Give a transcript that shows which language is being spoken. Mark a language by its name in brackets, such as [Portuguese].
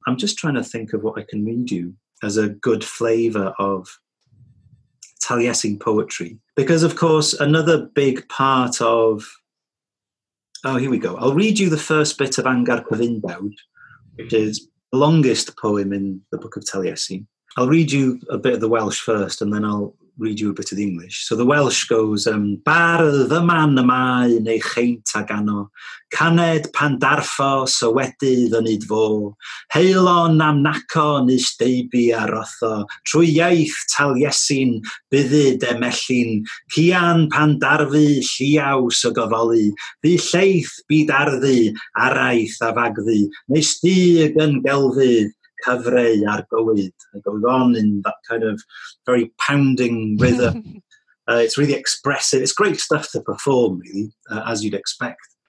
[English] I'm just trying to think of what I can read you as a good flavour of Taliesin poetry. Because, of course, another big part of... Oh, here we go. I'll read you the first bit of Angharad Pyfundawd, which is the longest poem in the Book of Taliesin. I'll read you a bit of the Welsh first, and then I'll read you a bit of the English. So the Welsh goes, [Welsh] Bardd y man y mae neu cheint ag anno, caned pan darfo sywedydd yn idfo, heilon am naco nis deibi a rotho, trwy iaith taliesin byddyd emellin, cian pan darfu lliaws o gofoli, fi lleith byd arddu araith a fagddu, nis dig yn gelfydd, cyfrau ar gywyd. [English] It goes on in that kind of very pounding rhythm. It's really expressive. It's great stuff to perform, really, as you'd expect.